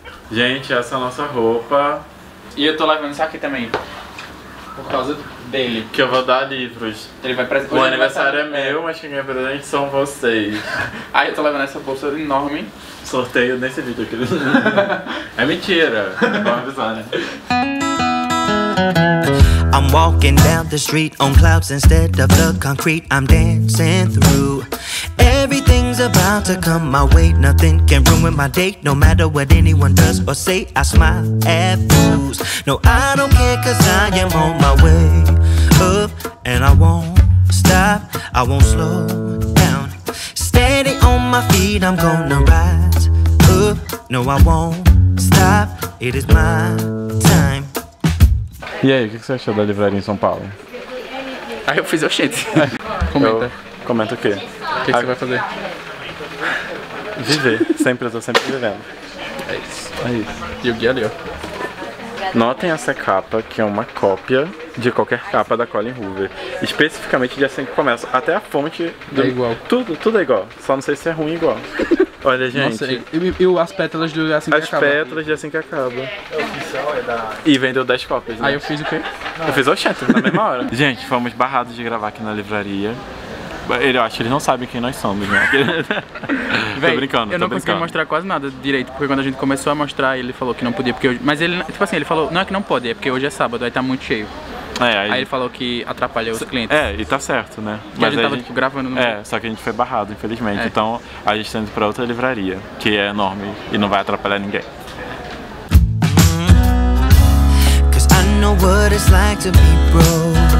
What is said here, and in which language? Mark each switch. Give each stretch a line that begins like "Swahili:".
Portuguese: Gente, essa é a nossa roupa. E eu tô levando isso aqui também. Por causa dele. Que eu vou dar livros. Ele vai presente. O aniversário é meu, mas quem ganha presente são vocês. Aí eu tô levando essa bolsa enorme. Sorteio nesse vídeo aqui. É mentira. Vou avisar, né?
English: I'm walking down the street on clouds instead of the concrete. I'm dancing through. Everything's about to come my way. Nothing can ruin my day. No matter what anyone does or say, I smile at fools. No, I don't care, cause I am on my way up. And I won't stop, I won't slow down. Steady on my feet, I'm gonna rise up. No, I won't stop, it is my time.
Portuguese: E aí, o que você achou da livraria em São Paulo? Aí eu fiz o shit. Comenta o quê? O que você vai fazer? Viver. Sempre, eu tô sempre vivendo. É isso. E o guia ali, ó. Notem essa capa, que é uma cópia de qualquer capa da Colleen Hoover. Especificamente de Assim Que Começa. Até a fonte... É igual. Tudo é igual. Só não sei se é ruim igual. Olha, gente. Nossa, e as pétalas do Assim Que Acaba? As pétalas de Assim Que Acaba. E vendeu 10 cópias, né? Aí eu fiz o quê? Eu fiz o Oxente, na mesma hora. Gente, fomos barrados de gravar aqui na livraria. Eu acho que eles não sabem quem nós somos, né? Tô brincando. Eu não consegui mostrar quase nada direito, porque quando a gente começou a mostrar, ele falou que não podia, porque hoje... Mas ele, tipo assim, ele falou, não é que não pode, é porque hoje é sábado, aí tá muito cheio. Aí ele falou que atrapalhou os clientes. É, e tá certo, né? Que mas a gente tava, tipo, gravando no... É, só que a gente foi barrado, infelizmente. É. Então, a gente tá indo pra outra livraria, que é enorme e não vai atrapalhar ninguém.
English: Cause I know what it's like to be broke.